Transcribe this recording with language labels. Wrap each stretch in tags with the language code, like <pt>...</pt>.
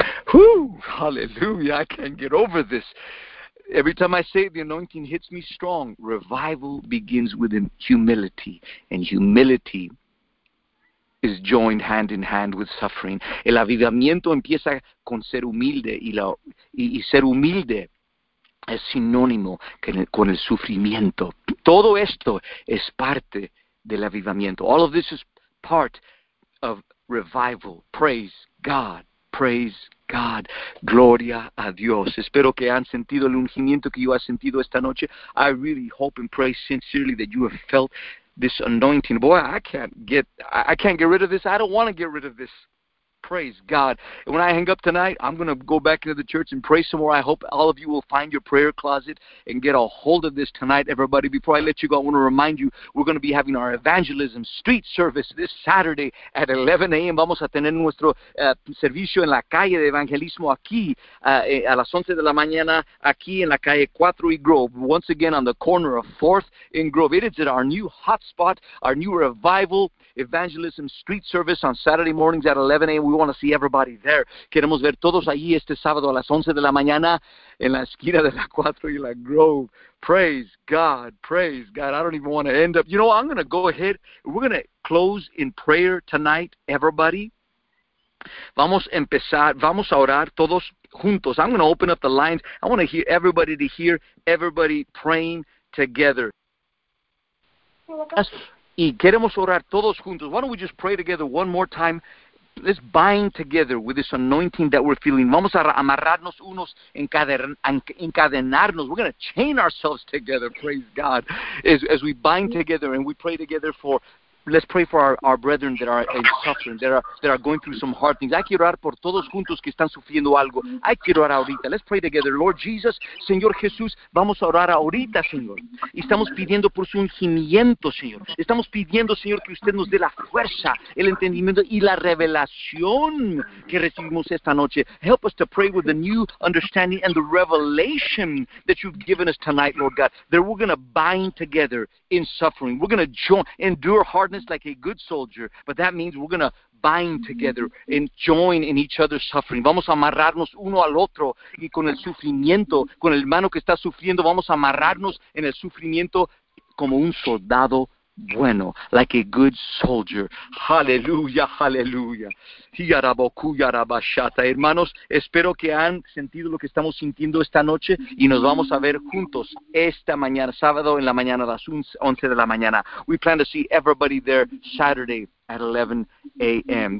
<en>Whew, hallelujah, I can't get over this. Every time I say it, the anointing hits me strong. Revival begins with humility, and humility is joined hand in hand with suffering.</en> <es>El avivamiento empieza con ser humilde, y ser humilde es sinónimo con el sufrimiento. Todo esto es parte del avivamiento.</es> <en>All of this is part of revival. Praise God. Praise God.</en> <es>Gloria a Dios. Espero que han sentido el ungimiento que yo he sentido esta noche.</es> <en>I really hope and pray sincerely that you have felt this anointing. Boy, I can't get rid of this. I don't want to get rid of this. Praise God. And when I hang up tonight, I'm going to go back into the church and pray some more. I hope all of you will find your prayer closet and get a hold of this tonight, everybody. Before I let you go, I want to remind you, we're going to be having our evangelism street service this Saturday at 11 a.m.</en> <es>Vamos a tener nuestro servicio en la calle de evangelismo aquí a las 11 de la mañana, aquí en la calle 4 y Grove.</es> <en>Once again, on the corner of 4th and Grove. It is at our new hotspot, our new revival evangelism street service on Saturday mornings at 11 a.m. We want to see everybody there.</en> <es>Queremos ver todos allí este sábado a las 11 de la mañana en la esquina de la 4 y la Grove.</es> <en>Praise God. Praise God. I don't even want to end up. You know, I'm going to go ahead. We're going to close in prayer tonight, everybody.</en> <es>Vamos a orar todos juntos.</es> <en>I'm going to open up the lines. I want to hear everybody to hear everybody praying together.</en> <es>Y queremos orar todos juntos.</es> <en>Why don't we just pray together one more time? Let's bind together with this anointing that we're feeling.</en> <es>Vamos a amarrarnos unos, encadenarnos.</es> <en>We're going to chain ourselves together, praise God, as we bind together and we pray together for, let's pray for our brethren that are in suffering, that are going through some hard things.</en> <es>Hay que orar por todos juntos que están sufriendo algo. Hay que orar ahorita.</es> <en>Let's pray together. Lord Jesus,</en> <es>Señor Jesús, vamos a orar ahorita, Señor. Estamos pidiendo por su ungimiento, Señor. Estamos pidiendo, Señor, que usted nos dé la fuerza, el entendimiento y la revelación que recibimos esta noche.</es> <en>Help us to pray with the new understanding and the revelation that you've given us tonight, Lord God, that we're going to bind together in suffering. We're going to endure hardness like a good soldier, but that means we're going to bind together and join in each other's suffering.</en> <es>Vamos a amarrarnos uno al otro y con el sufrimiento, con el hermano que está sufriendo, vamos a amarrarnos en el sufrimiento como un soldado bueno,</es> <en>like a good soldier. Hallelujah, hallelujah. Yarabocu, yarabashata.</en> <es>Hermanos, espero que han sentido lo que estamos sintiendo esta noche y nos vamos a ver juntos esta mañana, sábado en la mañana a las 11 de la mañana.</es> <en>We plan to see everybody there Saturday at 11 a.m.</en>